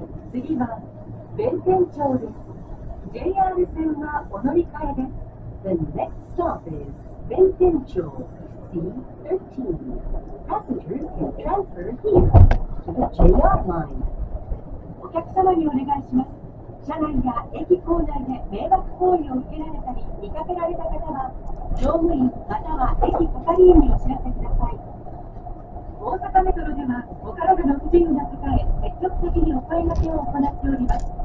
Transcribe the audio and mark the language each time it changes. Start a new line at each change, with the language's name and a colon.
Japanese: 次は弁天町です。JR 線はお乗り換えです。
English: The next stop is 弁天町 C13. Passengers can transfer here to the JR line.
Japanese: お客様にお願いします。車内や駅構内で迷惑行為を受けられたり見かけられた方は、乗務員または駅係員にお知らせください。大阪メトロではお体の不自由な方へ積極的にお声掛けを行っております。